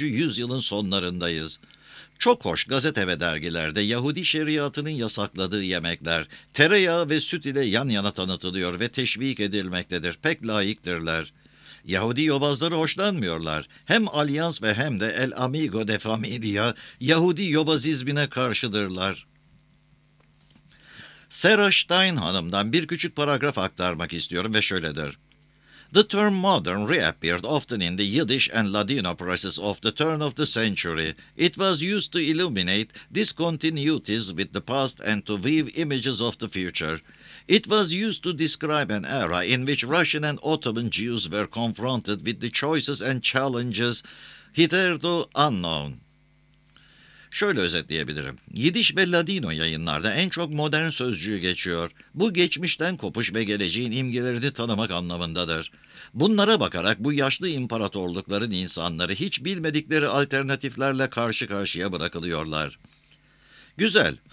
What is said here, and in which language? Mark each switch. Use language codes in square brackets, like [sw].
[tr] yüzyılın sonlarındayız. Çok hoş gazete ve dergilerde Yahudi şeriatının yasakladığı yemekler, tereyağı ve süt ile yan yana tanıtılıyor ve teşvik edilmektedir, pek layıktırlar. Yahudi yobazları hoşlanmıyorlar. Hem Alyans ve hem de El Amigo de Familia Yahudi yobazizmine karşıdırlar. Sarah Stein Hanım'dan bir küçük paragraf aktarmak istiyorum ve şöyledir. [en] The term modern reappeared often in the Yiddish and Ladino presses of the turn of the century. It was used to illuminate discontinuities with the past and to weave images of the future. It was used to describe an era in which Russian and Ottoman Jews were confronted with the choices and challenges hitherto unknown. [tr] Şöyle özetleyebilirim. Yiddish ve Ladino yayınlarda en çok modern sözcüğü geçiyor. Bu geçmişten kopuş ve geleceğin imgelerini tanımak anlamındadır. Bunlara bakarak bu yaşlı imparatorlukların insanları hiç bilmedikleri alternatiflerle karşı karşıya bırakılıyorlar. Güzel.